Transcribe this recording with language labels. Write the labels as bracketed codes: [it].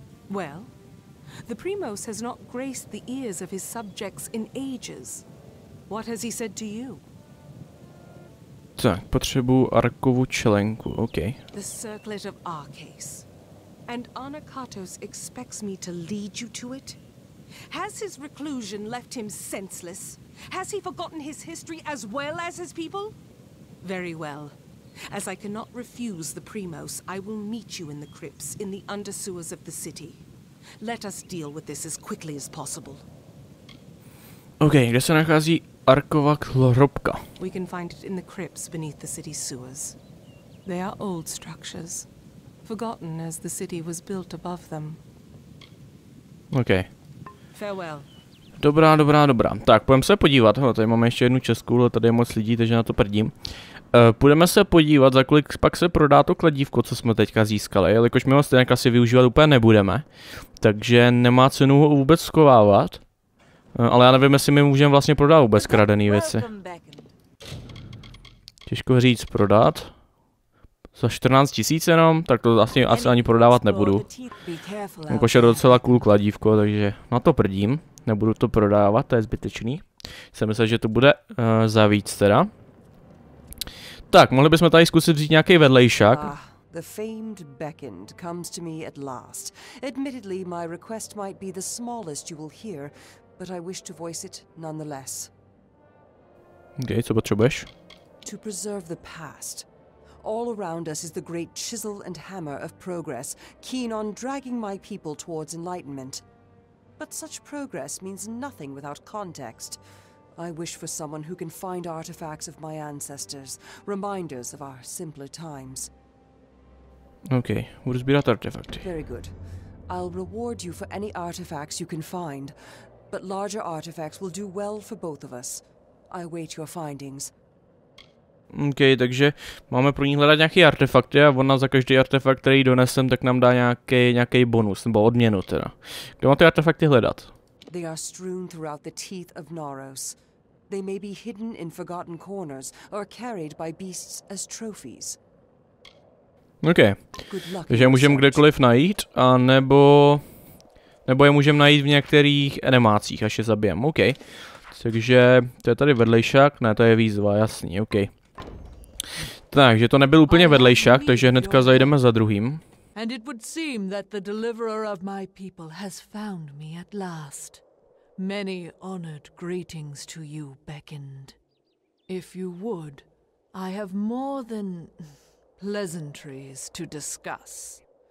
[en] Well, the Primos has not graced the ears of his subjects in ages. What has he said to you? [cs] Tak, potřebuji Arkovu členku, okej. Okay. [en] The circlet of Arces. And Anakatos expects me to lead you to it? Has his reclusion left him senseless? Has he forgotten his history as well as his people? Very well. As I cannot refuse the Primos, I will meet you in the crypts, in the undersewers of the city. Let us deal with this as quickly as possible. [cs] Okay, kde se nachází Arkova hrobka? [en] We can find it in the crypts beneath the city sewers. They are old structures, forgotten as the city was built above them. Okay. Farewell. [cs] Dobrá, dobrá, dobrá. Tak, půjdeme se podívat. Hele, tady máme ještě jednu českou, ale tady je moc lidí, takže na to prdím. Půjdeme se podívat, za kolik pak se prodá to kladívko, co jsme teďka získali, jelikož my ho stejně asi využívat úplně nebudeme. Takže nemá cenu ho vůbec schovávat. Ale já nevím, jestli my můžeme vlastně prodat vůbec kradený věci. Těžko říct prodat. Za 14 000 jenom, tak to vlastně asi ani prodávat nebudu. Jakože je docela cool kladívko, takže na to prdím. Nebudu to prodávat, to je zbytečný. Jsem myslel, že to bude za víc teda. Tak, mohli bychom tady zkusit vzít nějaký vedlejšák. [en] The famed beckoned comes to me at last. Admittedly, my request might be the smallest you will hear, but I wish to voice it nonetheless. [cs] Okay, co potřebuješ? [en] To preserve the past. All around us is the great chisel and hammer of progress, keen on dragging my people towards enlightenment. But such progress means nothing without context. I wish for someone who can find artifacts of my ancestors, reminders of our simpler times. [cs] Okay, budu sbírat artefakty. [en] Very good. I'll reward you for any artifacts you can find, but larger artifacts will do well for both of us. I await your findings. [cs] Okay, takže máme pro ní hledat nějaký artefakty a ona za každý artefakt, který donesem, tak nám dá nějaký bonus nebo odměnu teda. Kde má ty artefakty hledat? [en] They are strewn throughout the teeth of Naros. They may be hidden in forgotten corners or carried by beasts as trophies. [cs] OK, takže je můžeme kdekoliv najít, a nebo je můžeme najít v některých enemácích, až je zabijeme, OK. Takže to je tady vedlejšák, ne, to je výzva, jasný, OK. Takže to nebyl úplně vedlejšák, takže hnedka zajdeme za druhým. [en] A it would seem that the deliverer of my people has found me at last. Many honored greetings to you beckoned. If you would, I have more than pleasantries to discuss.